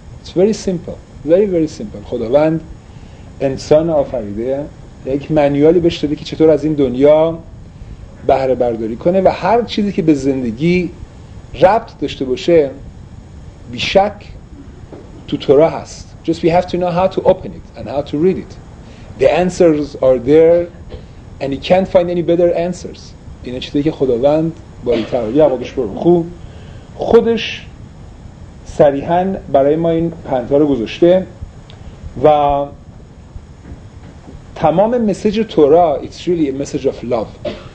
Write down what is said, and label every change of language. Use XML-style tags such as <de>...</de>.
<en>It's very simple, very very simple.</en> <fa>خداوند انسان آفریده یک منیالی بهش داده که چطور از این دنیا بهره برداری کنه و هر چیزی که به زندگی ربط داشته باشه بیشک تو تورا هست.</fa> <en>Just we have to know how to open it and how to read it. The answers are there and you can't find any better answers.</en> <fa>این چیزی که خداوند با این تعالی عقادش برو خوب خودش صریحاً برای ما این پندها رو گذاشته و تمام مسیج تورا</fa> <en>it's really a message of love.</en>